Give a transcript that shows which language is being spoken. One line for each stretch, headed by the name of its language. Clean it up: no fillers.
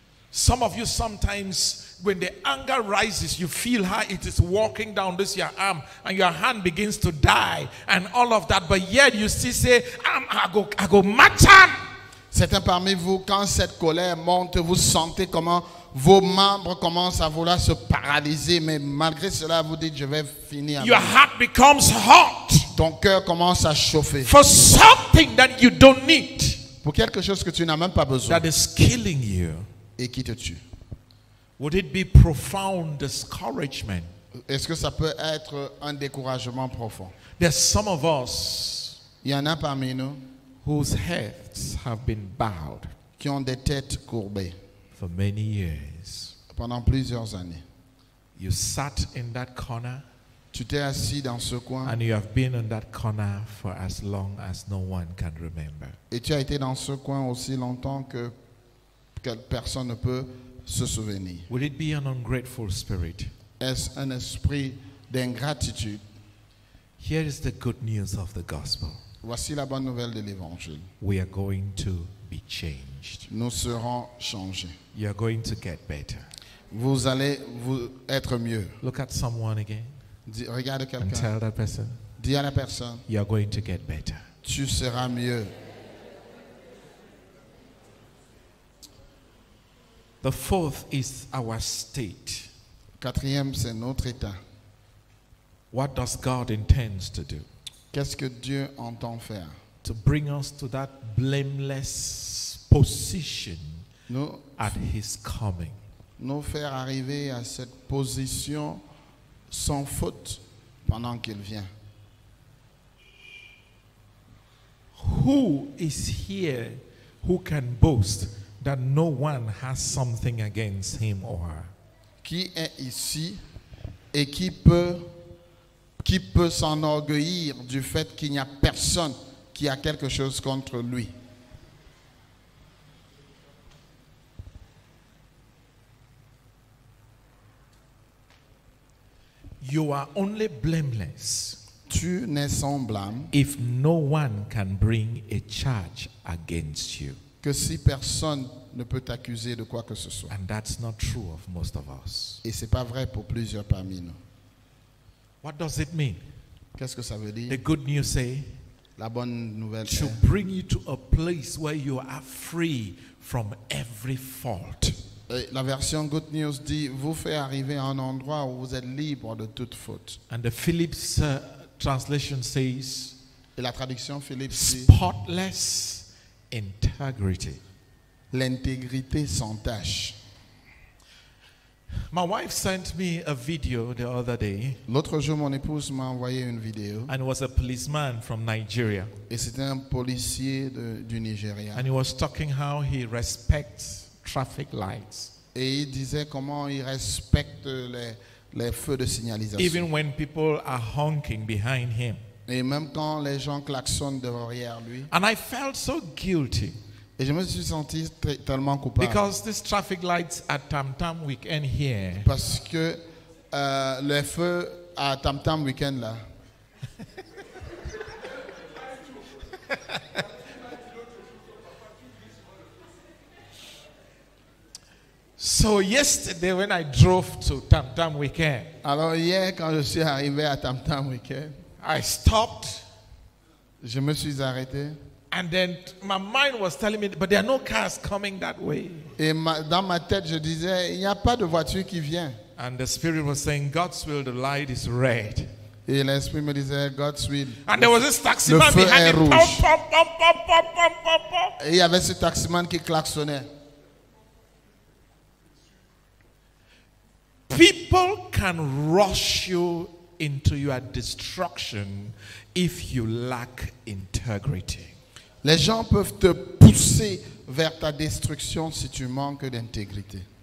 English: Some of you sometimes when the anger rises, you feel how it is walking down this your arm and your hand begins to die and all of that. But yet you still say, I go match on.
French: Certains parmi vous, quand cette colère monte, vous sentez comment vos membres commencent à vouloir se paralyser, mais malgré cela, vous dites, je vais finir.
English: Your heart becomes hot.
French: Ton cœur commence à chauffer.
English: For something that you don't need.
French: Pour quelque chose que tu n'as même pas besoin.
English: That is killing you.
French: Et qui te tue.
English: Would it be profound discouragement?
French: Est-ce que ça peut être un découragement profond?
English: There's some of us.
French: Il y en a parmi nous.
English: Whose heads have been bowed.
French: Qui ont des têtes courbées.
English: For many years.
French: Pendant plusieurs années.
English: You sat in that corner.
French: Tu t'es assis dans ce coin.
English: And you have been in that corner for as long as no one can remember.
French: Et tu as été dans ce coin aussi longtemps que quelle personne ne peut se souvenir.
English: Would it be an ungrateful spirit?
French: Est-ce un esprit d'ingratitude?
English: Here is the good news of the gospel.
French: Voici la bonne nouvelle de l'évangile.
English: We are going to be changed.
French: Nous serons changés.
English: You are going to get better.
French: Vous allez vous être mieux.
English: Look at someone again.
French: Regarde quelqu'un.
English: And tell that person.
French: Dis à la personne.
English: You are going to get better.
French: Tu seras mieux.
English: The fourth is our state.
French: Quatrième, c'est notre état.
English: What does God intend to do?
French: Qu'est-ce que Dieu entend faire?
English: To bring us to that blameless position
French: nous,
English: at his coming.
French: Nous faire arriver à cette position sans faute pendant qu'il vient.
English: Who is here who can boast that no one has something against him or her?
French: Qui est ici et qui peut s'enorgueillir du fait qu'il n'y a personne qui a quelque chose contre lui?
English: You are only blameless.
French: Tu n'es sans blâme.
English: If no one can bring a charge against you.
French: Que si personne ne peut t'accuser de quoi que ce soit.
English: And that's not true of most of us.
French: Et c'est pas vrai pour plusieurs parmi nous.
English: What does it mean?
French: Qu'est-ce que ça veut dire?
English: The good news say.
French: La bonne nouvelle.
English: To bring you to a place where you are free from every fault.
French: La version Good News dit vous fait arriver à un endroit où vous êtes libre de toute faute.
English: And the Phillips translation says.
French: Et la traduction Phillips
English: spotless
French: dit.
English: Spotless integrity.
French: L'intégrité sans tache.
English: My wife sent me a video the other day.
French: L'autre jour, mon épouse m'a envoyé une vidéo.
English: And it was a policeman from Nigeria.
French: Et c'était un policier du Nigeria.
English: And he was talking how he respects traffic lights.
French: Et il disait comment il respecte les feux de signalisation.
English: Even when people are honking behind him.
French: Et même quand les gens klaxonnent derrière lui.
English: And I felt so guilty.
French: Et je me suis senti tellement coupable.
English: Because these traffic lights at Tam Tam weekend here.
French: Parce que les feux à Tam Tam weekend là.
English: So yesterday when I drove to Tam Tam weekend.
French: Alors hier quand je suis arrivé à Tam Tam weekend.
English: I stopped.
French: Je me suis arrêté.
English: And then my mind was telling me, but there are no cars coming that way.
French: Et dans ma tête, je disais, il n'y a pas de voiture qui vient.
English: And the spirit was saying, God's will, the light is red.
French: Et l'esprit me disait,
English: God's will. And there was this taxi man behind me. Pom, pom, pom, pom, pom, pom, pom, pom.
French: Et il y avait ce taxi man qui klaxonnait.
English: People can rush you into your destruction if you lack integrity.
French: Les gens peuvent te pousser vers ta destruction si tu manques d'intégrité.